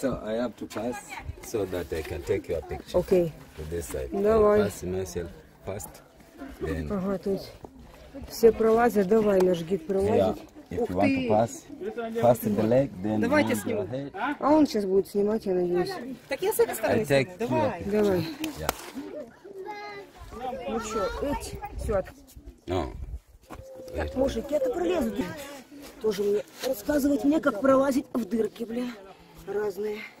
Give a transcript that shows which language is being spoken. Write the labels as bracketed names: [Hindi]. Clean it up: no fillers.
[English] So I have to pass so that I can take your picture. Okay. To this side. [Russian] Давай. [English] Pass myself first, then. [Russian] Ага, то есть все пролазят, давай наш гид пролазит. [English] Yeah. If you want to pass past the leg, then [Russian] давайте сниму. А он сейчас будет снимать, я надеюсь. Так я с этой стороны. Давай. Давай. [English] Yeah. [Russian] Ну что, все. [English] No. [Russian] Так, мужик, я-то пролезу. Тоже мне рассказывать мне, как пролазить в дырки, бля, разные.